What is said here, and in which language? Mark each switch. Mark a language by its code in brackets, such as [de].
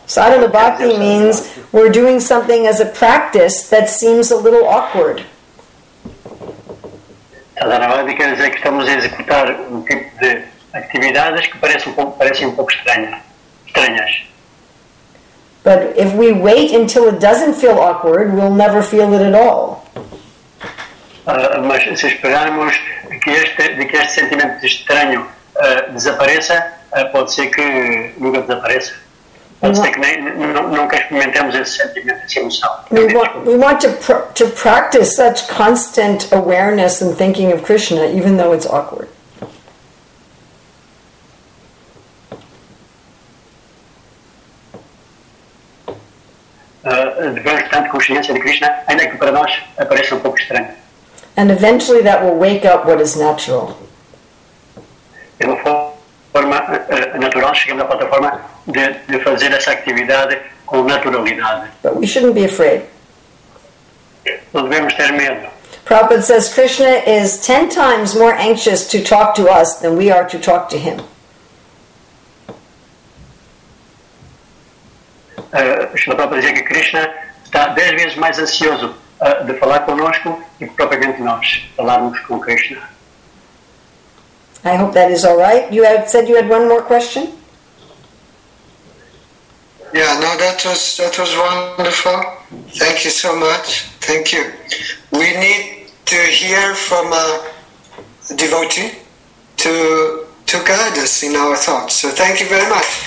[en] Sadhana bhakti means we're doing something as a practice that seems a little awkward. [pt] Sadhana bhakti quer dizer que estamos a executar um tipo de atividades que parecem um pouco estranhas. [en] But if we wait until it doesn't feel awkward, we'll never feel it at all. [pt] Mas se esperarmos que este sentimento estranho desapareça, pode ser que nunca desapareça. Pode ser que nunca experimentemos esse sentimento, essa emoção. [en] We want to practice such constant awareness and thinking of Krishna, even though it's awkward. [pt] Devemos, portanto, consciência de Krishna, ainda que para nós apareça um pouco estranho. [en] And eventually that will wake up what is natural. [pt] De uma forma natural, chegamos à plataforma de fazer essa atividade com naturalidade. [en] But we shouldn't be afraid. [pt] Não devemos ter medo. [en] Prabhupada says Krishna is 10 times more anxious to talk to us than we are to talk to him. [pt] Srila Prabhupada diz que Krishna está 10 vezes mais ansioso de falar conosco e propriamente nós falarmos com Krishna. [en] I hope that is all right. You have said you had one more question? Yeah, no, that was wonderful. Thank you so much. Thank you. We need to hear from a devotee to guide us in our thoughts. So thank you very much.